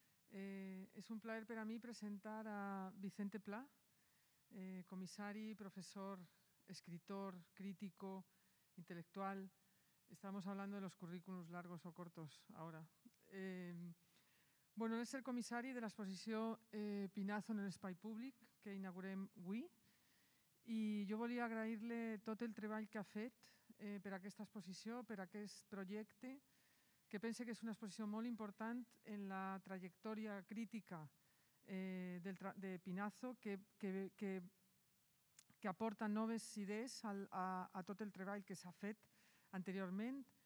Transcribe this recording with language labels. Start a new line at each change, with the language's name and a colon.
Catalan: És un plaer per a mi presentar a Vicente Pla, comissari, professor, escritor, crítico, intel·lectual.
Spanish: Estamos hablando de los currículums largos o cortos ahora.
Catalan: Bueno, és el comissari de l'exposició Pinazo en l'espai públic, que inaugurem avui. I jo volia agrair-li tot el treball que ha fet per a aquesta exposició, per a aquest projecte, que penso que és una exposició molt important en la trajectòria crítica de Pinazo, que aporta noves idees a tot el treball que s'ha fet anteriorment.